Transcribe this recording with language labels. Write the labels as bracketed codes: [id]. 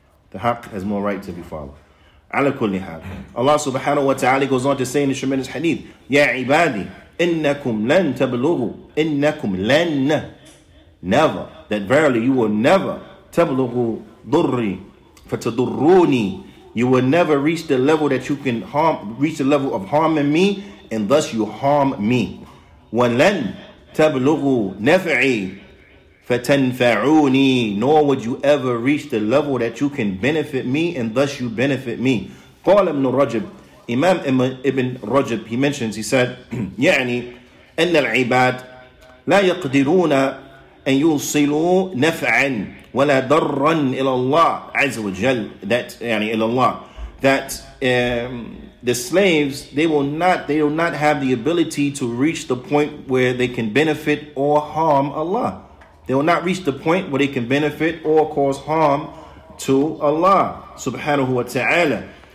[en] The haq has more right to be followed. Ala kulli hal. Allah subhanahu wa ta'ala goes on to say in the tremendous hadith, [ar] Ya ibadi, innakum lan tablughu, innakum lan, [en] never, that verily you will never [ar] tablughu durri, fatadurruni, [en] you will never reach the level that you can harm, reach the level of harming me, and thus you harm me. [ar] Wa lan tablughu naf'i, fatanfa'uni, [en] nor would you ever reach the level that you can benefit me, and thus you benefit me. Qala ibn Rajab, Imam Ibn Rajab, he mentions, he said, [ar] يعني أن العباد لا يقدرون أن يوصلوا نفعا ولا ضرا إلى الله عز وجل. [en] That, [ar] يعني إلى الله. [en] That the slaves, they will not have the ability to reach the point where they can benefit or harm Allah. They will not reach the point where they can benefit or cause harm to Allah subhanahu wa ta'ala.